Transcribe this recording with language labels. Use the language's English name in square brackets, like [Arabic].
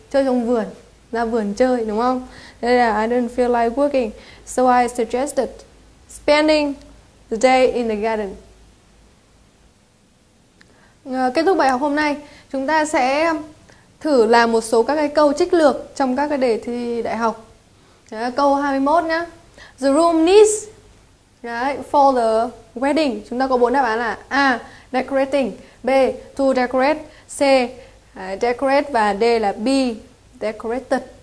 [Vietnamese] Chơi trong vườn, ra vườn chơi, đúng không? Thế là [English] I didn't feel like working, so I suggested spending the day in the garden. [Vietnamese] Kết thúc bài học hôm nay, chúng ta sẽ thử làm một số các cái câu trích lược trong các cái đề thi đại học. Đấy, câu 21 nhá. [English] The room needs for the wedding. [Vietnamese] Chúng ta có bốn đáp án là A. [English] Decorating. B. To decorate. C. Decorate. [Vietnamese] Và D là [English] B. Decorated.